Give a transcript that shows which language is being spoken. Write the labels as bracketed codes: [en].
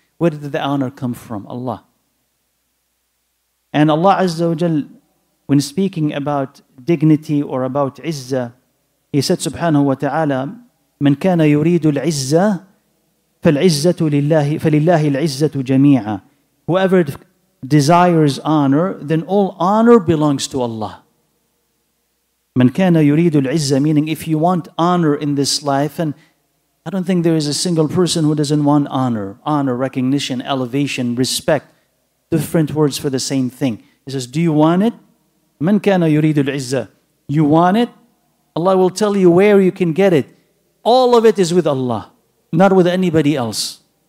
[en] Where did the honor come from? Allah. And Allah Azza wa Jalla, when speaking about dignity or about izzah, He said, subhanahu wa ta'ala, [ar] مَنْ كَانَ يُرِيدُ الْعِزَّةِ فَالْعِزَّةُ لِلَّهِ فَلِلَّهِ الْعِزَّةُ جَمِيعًا, [en] whoever desires honor, then all honor belongs to Allah. [ar] مَنْ كَانَ يُرِيدُ الْعِزَّةِ, [en] meaning if you want honor in this life, and I don't think there is a single person who doesn't want honor. Honor, recognition, elevation, respect. Different words for the same thing. He says, do you want it? [ar] مَنْ كَانَ يُرِيدُ الْعِزَّةِ, [en] you want it? Allah will tell you where you can get it. All of it is with Allah, not with anybody else.